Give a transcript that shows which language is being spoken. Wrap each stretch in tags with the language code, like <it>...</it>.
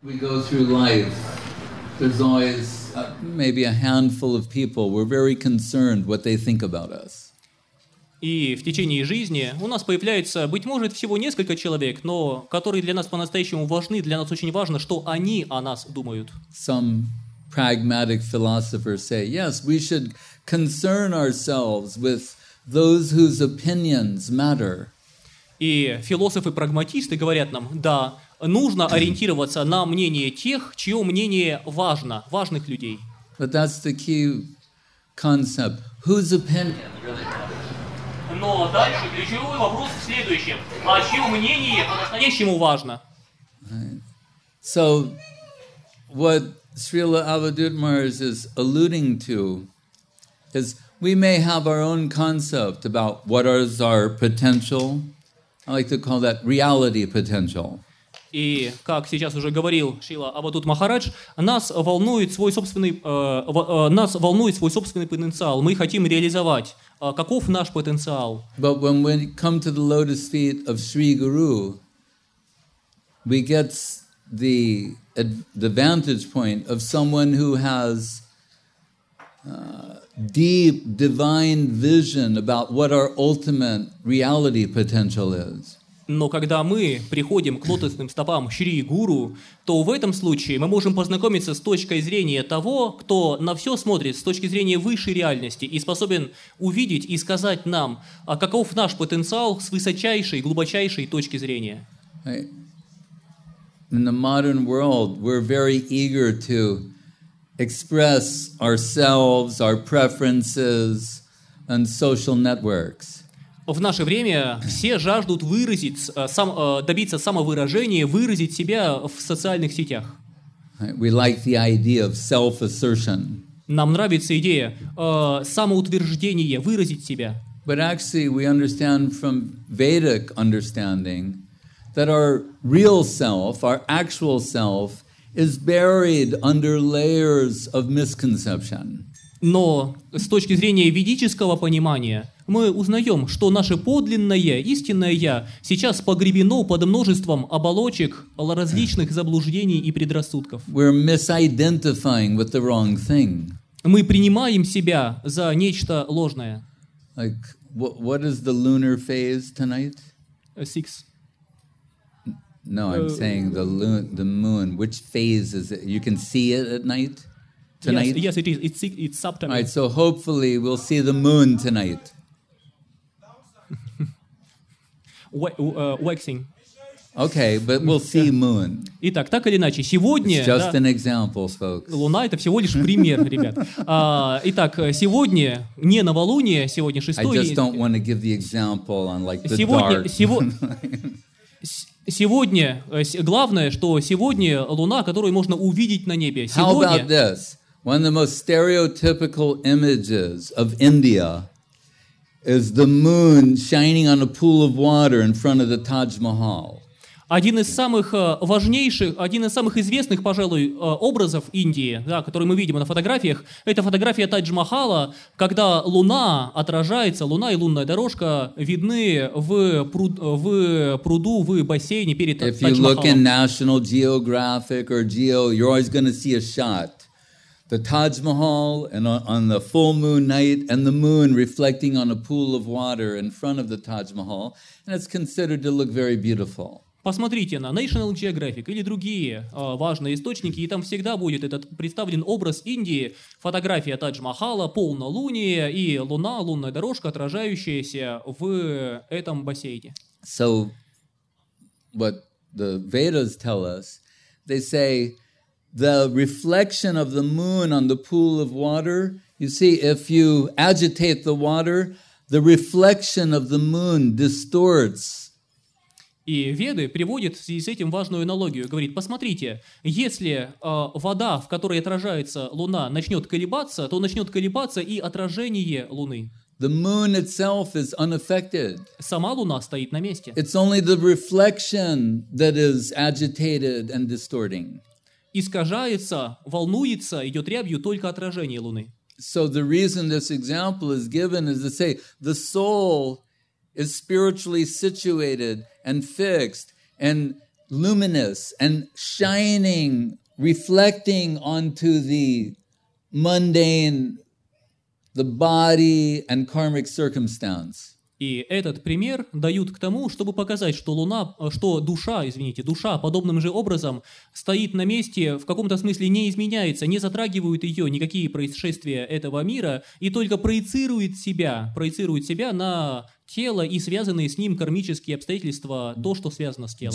<en>We go through life, there's always maybe a handful of people we're very concerned what they think about us.</en> <ru>И в течение жизни у нас появляется, быть может, всего несколько человек, но которые для нас по-настоящему важны, для нас очень важно, что они о нас думают.</ru> <en>Some pragmatic philosophers say, yes, we should concern ourselves with those whose opinions matter.</en> <ru>И философы-прагматисты говорят нам, да, нужно ориентироваться на мнение тех, чье мнение важно, важных людей.</ru> <en>But that's the key concept. Whose opinion really matters?</en> <ru>Но дальше ключевой вопрос в следующем. А чье мнение по-настоящему важно?</ru> <en>Right. So, what Srila Avadhutmaharaj is alluding to is we may have our own concept about what is our potential. I like to call that reality potential.</en> <ru>И как сейчас уже говорил Шрила Авадхутмахарадж, нас волнует свой собственный потенциал. Мы хотим реализовать, каков наш потенциал.</ru> <en>But when we come to the lotus feet of Sri Guru, we get the vantage point of someone who has deep divine vision about what our ultimate reality potential is.</en> <ru>Но когда мы приходим к лотосным стопам Шри Гуру, то в этом случае мы можем познакомиться с точкой зрения того, кто на все смотрит с точки зрения высшей реальности и способен увидеть и сказать нам, каков наш потенциал с высочайшей, глубочайшей точки зрения.</ru> <en>In the modern world, we're very eager to express ourselves, our preferences, and social networks.</en> <ru>В наше время все жаждут добиться самовыражения, выразить себя в социальных сетях.</ru> <en>We like the idea of self-assertion.</en> <ru>Нам нравится идея самоутверждения, выразить себя.</ru> <en>But actually, we understand from Vedic understanding that our real self, our actual self, is buried under layers of misconception.</en> <ru>Но с точки зрения ведического понимания мы узнаем, что наше подлинное, истинное «я» сейчас погребено под множеством оболочек различных заблуждений и предрассудков.</ru> <en>We're misidentifying with the wrong thing.</en> <ru>Мы принимаем себя за нечто ложное.</ru> <en>Like, what is the lunar phase tonight? Six. No, I'm saying the moon. Which phase is it? You can see it at night? Tonight? Yes, it is. It's subtonic. All right, so hopefully we'll see the moon tonight. Waxing. Okay, but we'll see moon.</en> <ru>Итак, так или иначе, сегодня...</ru> <en>It's just an example, folks.</en> <ru>Луна — это всего лишь пример, ребят. Итак, сегодня не новолуние, сегодня шестое...</ru> <en>I just don't want to give the example on, like, the</en> <ru>сегодня,</ru> <en>dark...</en> <ru>сегодня, главное, что сегодня луна, которую можно увидеть на небе. Сегодня...</ru> <en>How about this? One of the most stereotypical images of India... is the moon shining on a pool of water in front of the Taj Mahal.</en> <ru>Один из самых важнейших, один из самых известных, пожалуй, образов Индии, да, который мы видим на фотографиях, это фотография Тадж-Махала, когда луна отражается, луна и лунная дорожка видны в пруду, в бассейне перед Тадж-Махалом.</ru> <en>If you look in National Geographic or Geo, you're always going to see a shot. The Taj Mahal and on the full moon night and the moon reflecting on a pool of water in front of the Taj Mahal and it's considered to look very beautiful.</en> <ru>Посмотрите на National Geographic или другие важные источники, и там всегда будет этот представлен образ Индии, фотография Тадж-Махала, полнолуние и луна, лунная дорожка, отражающаяся в этом бассейне.</ru> <en>So what the Vedas tell us, they say the reflection of the moon on the pool of water, you see, if you agitate the water, the reflection of the moon distorts.</en> <ru>И Веды приводят в связи с этим важную аналогию. Говорит, посмотрите, если вода, в которой отражается луна, начнет колебаться, то начнет колебаться и отражение луны.</ru> <en>The moon itself is unaffected.</en> <ru>Сама луна стоит на месте.</ru> <en>It's only the reflection that is agitated and distorting.</en> <ru>Искажается, волнуется, идет рябью только отражение луны.</ru> <en>So the reason this example is given is to say the soul is spiritually situated and fixed, and luminous and shining, reflecting onto the mundane, the body and karmic circumstance.</en> <ru>И этот пример дают к тому, чтобы показать, что луна, что душа, извините, душа подобным же образом стоит на месте, в каком-то смысле не изменяется, не затрагивают ее никакие происшествия этого мира, и только проецирует себя на тело и связанные с ним кармические обстоятельства, то, что связано с телом.</ru>